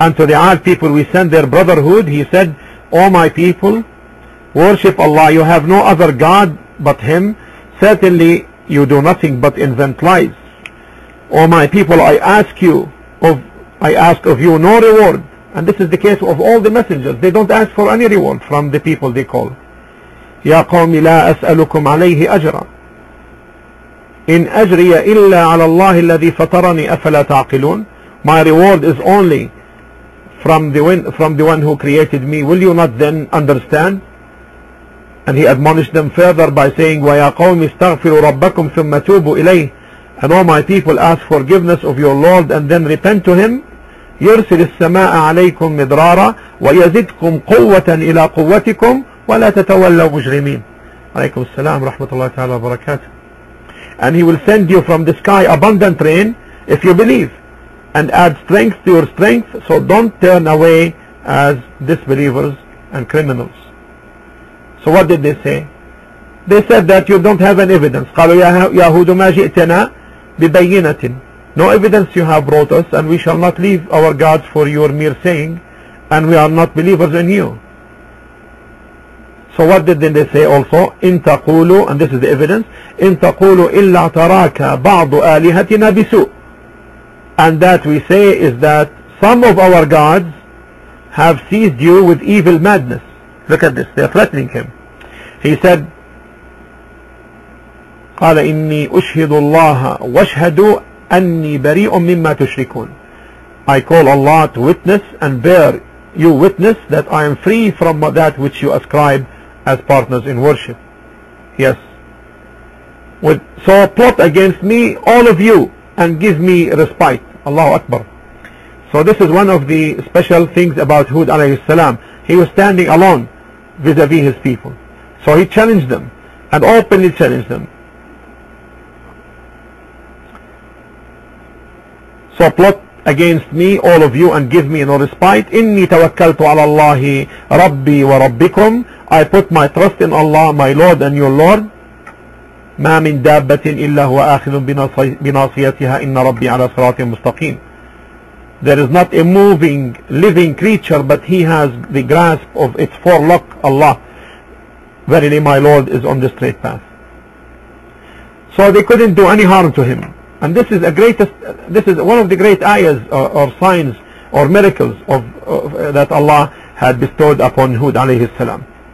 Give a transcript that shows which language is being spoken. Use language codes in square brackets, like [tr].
[en] And to the Aad people, we send their brotherhood. He said, O my people, worship Allah, you have no other god but him, certainly you do nothing but invent lies. O my people, I ask of you no reward. And this is the case of all the messengers. They don't ask for any reward from the people they call. [ar] يا قوم لا أسألكم عليه أجرا إن أجري إلا على الله الذي فطرني أفلا تعقلون. [en] My reward is only from the one who created me. Will you not then understand? And he admonished them further by saying, [ar] ويا قوم استغفروا ربكم ثم توبوا إليه. [en] And all my people, ask forgiveness of your Lord and then repent to him. [ar] يرسل السماء عليكم مدرارا ويزدكم قوة إلى قوتكم ولا تتولوا مجرمين. عليكم السلام ورحمة الله تعالى وبركاته. [en] And he will send you from the sky abundant rain if you believe, and add strength to your strength, so don't turn away as disbelievers and criminals. So what did they say? They said that you don't have an evidence. [ar] قالوا يا هود ما جئتنا ببينة. [en] No evidence you have brought us, and we shall not leave our gods for your mere saying, and we are not believers in you. So what did then they say also? [ar] إن تقولوا, [en] and this is the evidence, [ar] إن تقولوا إلا تراك بعض آلهتنا بسوء. [en] And that we say is that some of our gods have seized you with evil madness. Look at this, they are threatening him. He said, [ar] قال إني أشهد الله واشهدوا أني بريء مما تشركون. [en] I call Allah to witness and bear you witness that I am free from that which you ascribe as partners in worship. Yes. So plot against me, all of you, and give me respite. Allahu Akbar. So this is one of the special things about Hud alayhi salam. He was standing alone vis-a-vis his people. So he challenged them and openly challenged them. So plot against me, all of you, and give me no respite. [ar] إني توكلت على الله ربي وربكم. [en] I put my trust in Allah, my Lord and your Lord. [ar] ما من دابة إلا هو آخذ بناصيتها إن ربي على صراط مستقيم. [en] There is not a moving, living creature, but he has the grasp of its forelock, Allah. Verily my Lord is on the straight path. So they couldn't do any harm to him. And this is one of the great ayahs or signs or miracles of that Allah had bestowed upon Hud alayhi salam.